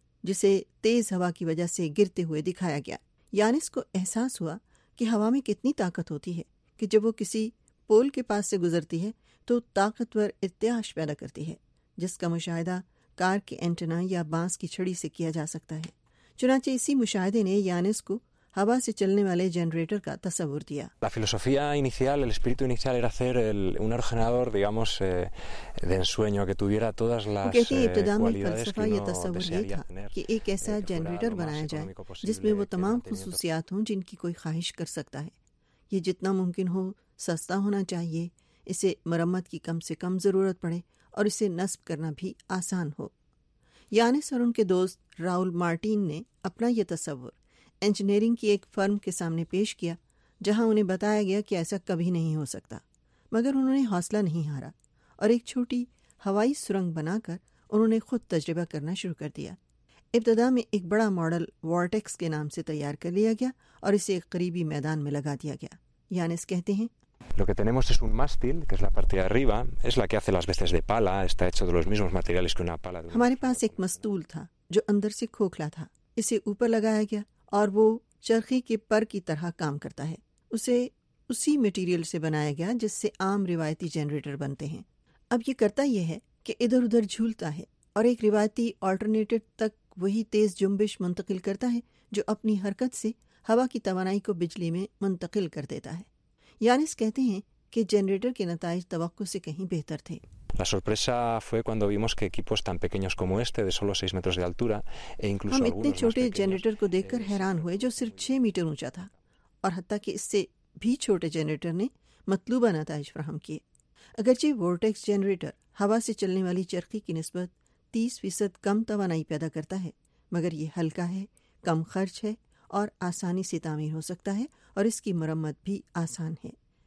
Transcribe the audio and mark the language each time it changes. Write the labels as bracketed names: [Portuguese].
[Urdu] جسے تیز ہوا کی وجہ سے گرتے ہوئے دکھایا گیا۔ یانس کو احساس ہوا کہ ہوا میں کتنی طاقت ہوتی ہے کہ جب وہ کسی پول کے پاس سے گزرتی ہے تو طاقتور ارتعاش پیدا کرتی ہے، جس کا مشاہدہ کار کے اینٹنا یا بانس کی چھڑی سے کیا جا سکتا ہے۔ چنانچہ اسی مشاہدے نے یانس کو ہوا سے چلنے والے جنریٹر کا تصور دیا۔ [Spanish] La filosofía inicial, el espíritu inicial era hacer un aerogenerador, digamos, de ensueño que tuviera todas las cualidades que uno desearía tener. [Urdu] کہ ایک ایسا جنریٹر بنایا جائے جس میں وہ تمام خصوصیات ہوں جن کی کوئی خواہش کر سکتا ہے۔ یہ جتنا ممکن ہو سستا ہونا چاہیے، اسے مرمت کی کم سے کم ضرورت پڑے اور اسے نصب کرنا بھی آسان ہو. یانس اور ان کے دوست راؤل مارٹین نے اپنا یہ تصور انجینئرنگ کی ایک فرم کے سامنے پیش کیا جہاں انہیں بتایا گیا کہ ایسا کبھی نہیں ہو سکتا. مگر انہوں نے حوصلہ نہیں ہارا اور ایک چھوٹی ہوائی سرنگ بنا کر انہوں نے خود تجربہ کرنا شروع کر دیا. ابتدا میں ایک بڑا ماڈل وارٹیکس کے نام سے تیار کر لیا گیا اور اسے ایک قریبی میدان میں لگا دیا گیا. یانس کہتے ہیں [Spanish] Lo que tenemos es un mástil, que es la parte de arriba, es la que hace las veces de pala, está hecho de los mismos materiales que una pala. [Urdu] ہمارے پاس ایک مستول تھا جو اندر سے کھوکھلا تھا. اسے اوپر لگایا گیا اور وہ چرخی کے پر کی طرح کام کرتا ہے. اسے اسی میٹیریل سے بنایا گیا جس سے عام روایتی جنریٹر بنتے ہیں. اب یہ کرتا یہ ہے کہ ادھر ادھر جھولتا ہے اور ایک روایتی آلٹرنیٹر تک وہی تیز جنبش منتقل کرتا ہے جو اپنی حرکت سے ہوا کی توانائی کو بجلی میں منتقل کر دیتا ہے. یانس کہتے ہیں کہ جنریٹر کے نتائج توقع سے کہیں بہتر تھے. [Spanish] La sorpresa fue cuando vimos que equipos tan pequeños como este de solo 6 metros de altura e incluso [Urdu] algunos اتنے چھوٹے جنریٹر کو دیکھ کر حیران ہوئے جو صرف 6 میٹر اونچا تھا, اور حتیٰ کہ اس سے بھی چھوٹے جنریٹر نے مطلوبہ نتائج فراہم کیے. اگرچہ وورٹیکس جنریٹر ہوا سے چلنے والی چرخی کی نسبت 30% کم توانائی پیدا کرتا ہے, مگر یہ ہلکا ہے, کم خرچ ہے اور آسانی سے تعمیر ہو سکتا ہے, اور اس کی مرمت بھی آسان ہے.